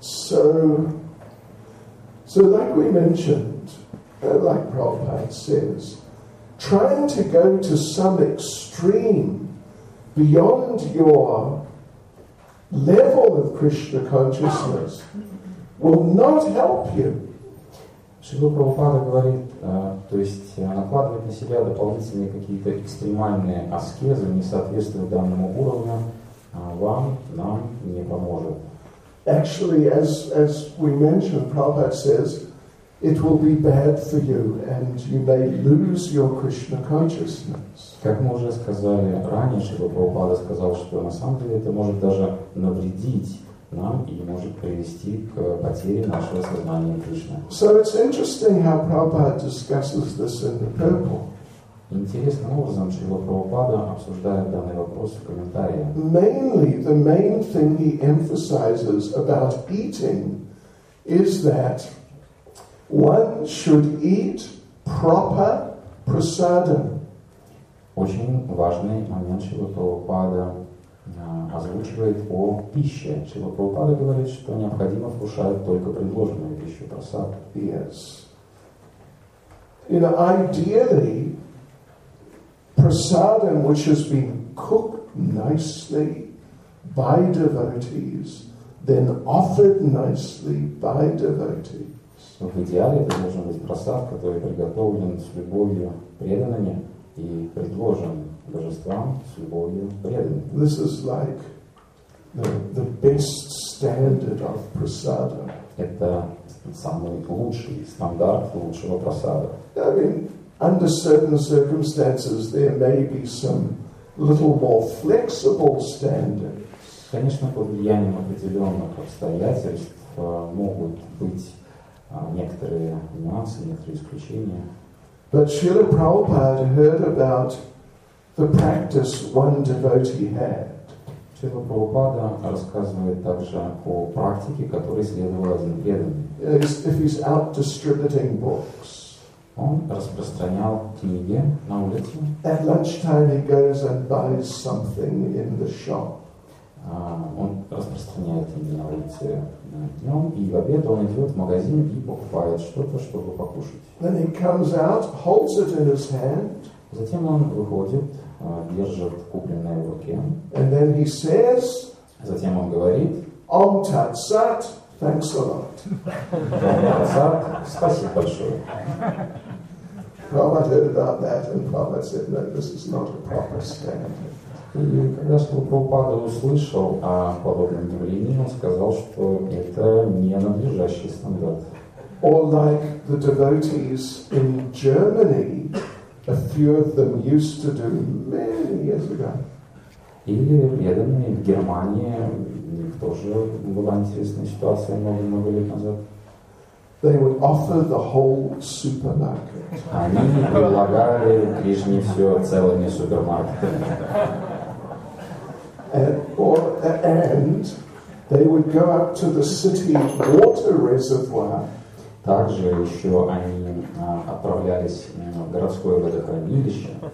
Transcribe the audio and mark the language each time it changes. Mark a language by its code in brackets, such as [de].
[en] So like we mentioned, like Prabhupada says, trying to go to some extreme beyond your level of Krishna consciousness will not help you. [ru] Шрила Прабхупада говорит, то есть накладывать на себя дополнительные какие-то экстремальные аскезы, не соответствуя данному уровню, вам, нам не поможет. [en] Actually, as we mentioned, Prabhupada says, it will be bad for you, and you may lose your Krishna consciousness. [ru] Как мы уже сказали ранее, Шрила Прабхупада сказал, что на самом деле это может даже навредить нам и может привести к потере нашего сознания Кришны. [en] So it's interesting how Prabhupada discusses this in the purport. [ru] Интересным образом Шрила Прабхупада обсуждает данный вопрос в комментариях. [en] Mainly, the main thing he emphasizes about eating is that one should eat proper prasadam. [ru] Очень важный момент Шрила Прабхупада озвучивает о пище. Шрила Прабхупада говорит, что необходимо вкушать только предложенную пищу, просад. [en] Yes. You know, ideally, prasadam, which has been cooked nicely by devotees, then offered nicely by devotees. [ru] В идеале это должен быть просад, который приготовлен с любовью преданными и предложен божествам с любовью преданными. [en] This is like the best standard of prasadam. [ru] Это самый лучший стандарт лучшего просада. [en] I mean, under certain circumstances, there may be some little more flexible standards. [ru] Конечно, под влиянием определенных обстоятельств могут быть некоторые нюансы, некоторые исключения. [en] But Srila Prabhupada heard about the practice one devotee had. [ru] Srila Prabhupada рассказывает также о практике, которой следовал один преданный. [en] If he's out distributing books. [ru] Он распространял книги на улице. [en] At lunchtime he goes and buys something in the shop. [ru] Он распространяет книги на улице днем, и в обед он идет в магазин и покупает что-то, чтобы покушать. [en] Then he comes out, holds it in his hand. [ru] Затем он выходит, держит купленное в руке. [en] And then he says. [ru] Затем он говорит. [en] Om Tat Sat. Thanks a lot. [ru] Спасибо большое. [en] Prabhupada heard about that, and Prabhupada said, "No, this is not a proper standard." [ru] И когда Прабхупада услышал о подобном явлении, он сказал, что это не надлежащий стандарт. [en] Or like the devotees in Germany, a few of them used to do many years ago. [ru] Или преданные в Германии. Тоже была интересная ситуация много-много лет назад. [en] They would offer the whole supermarket. [ru] Они предлагали Кришне все целыми супермаркетами. [en] And they would go up to the city water reservoir. [ru] Также еще они отправлялись в городское водохранилище.